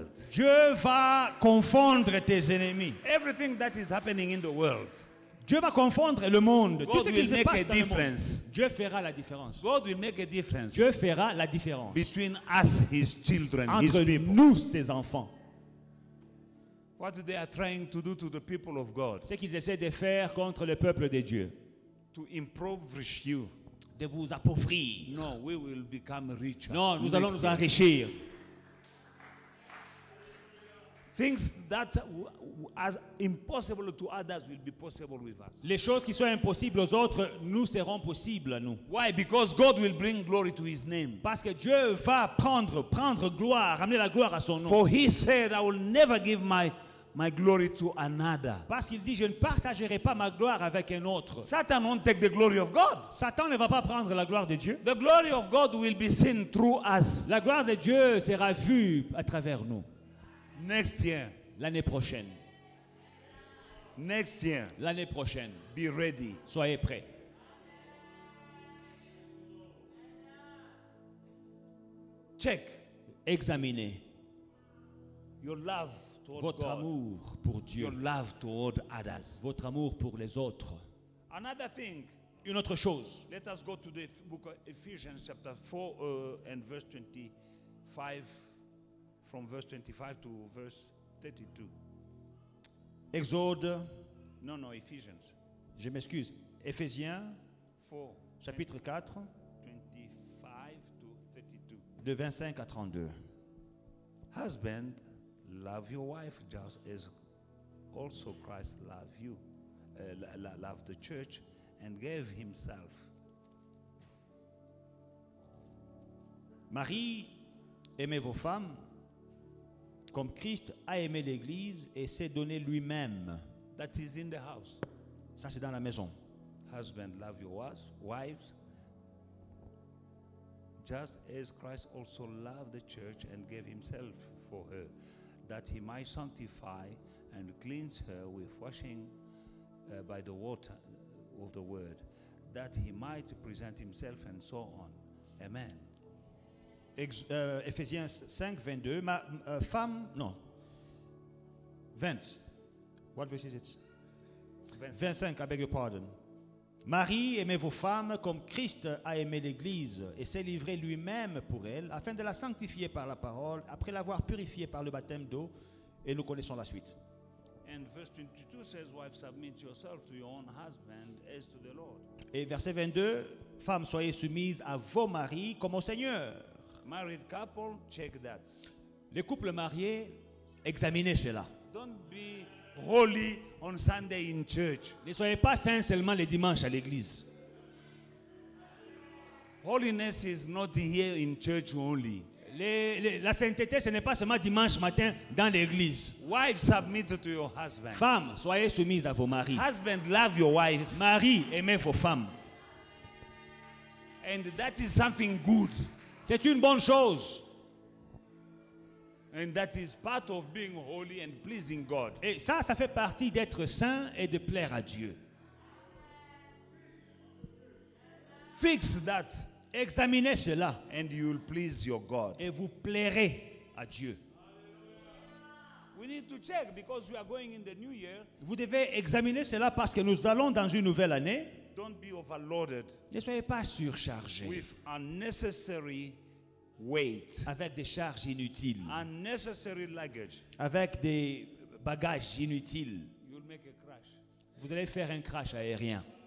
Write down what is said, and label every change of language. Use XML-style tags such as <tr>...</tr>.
<fr>Dieu va confondre tes ennemis.</fr> <en>Everything that is happening in the world.</en> <fr>Dieu va confondre le monde.</fr> <en>God</en> <fr>tout ce qui se passe dans</fr> <en>difference.</en> <fr>Le monde. Dieu fera la différence.</fr> <en>God will make a difference.</en> <fr>Dieu fera la différence.</fr> <en>Between us, his children,</en> <fr>entre</fr> <en>his people.</en> <fr>Nous, ses enfants.</fr> <en>What they are trying to do to the people of God.</en> <fr>Ce qu'ils essaient de faire contre le peuple de Dieu.</fr> <en>To impoverish you.</en> <fr>De vous appauvrir.</fr> <en>No, we will become richer.</en> <fr>Non, nous allons nous enrichir.</fr> <en>Things that are impossible to others will be possible with us.</en> <fr>Les choses qui sont impossibles aux autres nous seront possibles à nous.</fr> <en>Why? Because God will bring glory to his name.</en> <fr>Parce que Dieu va prendre gloire, ramener la gloire à son nom.</fr> <en>For he said I will never give my glory to another.</en> <fr>Parce qu'il dit je ne partagerai pas ma gloire avec un autre.</fr> <en>Satan won't take the glory of God.</en> <fr>Satan ne va pas prendre la gloire de Dieu.</fr> <en>The glory of God will be seen through us.</en> <fr>La gloire de Dieu sera vue à travers nous.</fr> <en>Next year,</en> <fr>l'année prochaine.</fr> <en>Next year,</en> <fr>l'année prochaine.</fr> <en>Be ready.</en> <fr>Soyez prêts.</fr> <en>Check.</en> <fr>Examinez.</fr> <en>Your love toward</en> <fr>votre</fr> <en>God.</en> <fr>Amour pour Dieu.</fr> <en>Your love toward others.</en> <fr>Votre amour pour les autres.</fr> <en>Another thing.</en> <fr>une autre chose.</fr> <en>Let us go to the book of Ephesians chapter 4 and verse 25, from verse 25 to verse 32.</en> <fr>Exode. Non, non, Ephesians. Je m'excuse. Ephésiens, 4, chapitre 4,</fr> <en>25 to 32.</en> <fr>De 25 à 32.</fr> <en>Husband, love your wife just as also Christ loved you, loved the church and gave himself.</en> <fr>Marie, aimez vos femmes comme Christ a aimé l'église et s'est donné lui-même.</fr> <en>That is in the house.</en> <fr>Ça, c'est dans la maison.</fr> <en>Husband, love your wives just as Christ also loved the church and gave himself for her, that he might sanctify and cleanse her with washing by the water of the word, that he might present himself and so on. Amen.</en> <fr>Ephésiens 5, 22. Ma femme, non. 20.</fr> <en>What verse is it? 25, I beg your pardon.</en> <fr>Marie, aimez vos femmes comme Christ a aimé l'Église et s'est livré lui-même pour elle, afin de la sanctifier par la parole, après l'avoir purifiée par le baptême d'eau, et nous connaissons la suite.</fr> <en>And verse 22 says, wife, submit yourself to your own husband as to the Lord.</en> <fr>Et verset 22, femmes, soyez soumises à vos maris comme au Seigneur.</fr> <en>Married couple, check that.</en> <fr>Les couples mariés, examinez cela.</fr> <en>Don't be holy on Sunday in church.</en> <fr>Ne soyez pas saints seulement les dimanches à l'église.</fr> <en>Holiness is not here in church only.</en> <fr>La sainteté, ce n'est pas seulement dimanche matin dans l'église.</fr> <en>Wives, submit to your husband.</en> <fr>Femmes, soyez soumises à vos maris.</fr> <en>Husband, love your wife.</en> <fr>Marie, aimez vos femmes.</fr> <en>And that is something good.</en> <fr>C'est une bonne chose.</fr> <en>And that is part of being holy and pleasing God.</en> <fr>Et ça, ça fait partie d'être saint et de plaire à Dieu.</fr> <en>Fix that.</en> <fr>Examinez cela.</fr> <en>And you'll please your God.</en> <fr>Et vous plairez à Dieu.</fr> <en>We need to check because we are going in the new year.</en> <fr>Vous devez examiner cela parce que nous allons dans une nouvelle année.</fr> <en>Don't be overloaded.</en> <fr>Ne soyez pas surchargé.</fr> <en>With unnecessary weight.</en> <fr>Avec des charges inutiles.</fr> <en>Unnecessary luggage.</en> <fr>Avec des bagages inutiles.</fr> <en>You'll make a crash.</en> <fr>Vous allez faire un crash aérien.</fr>